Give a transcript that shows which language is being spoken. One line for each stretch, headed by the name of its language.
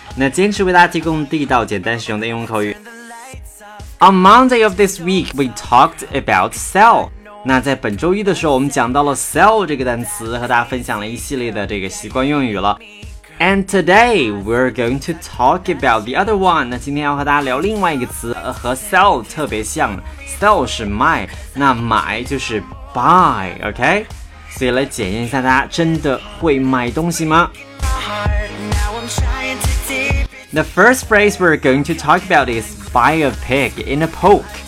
Chinese: 那坚持为大家提供地道简单实用的英文口语。
English: On Monday of this week, we talked about sell.
Chinese: 那在本周一的时候，我们讲到了 sell 这个单词，和大家分享了一系列的这个习惯用语了。
English: And today, we're going to talk about the other one.
Chinese: 那今天要和大家聊另外一个词，和 sell 特别像。 Sell 是卖，那买就是buy, OK? 所以来检验一下大家真的会买东西吗?
English: The first phrase we're going to talk about is buy a pig in a poke.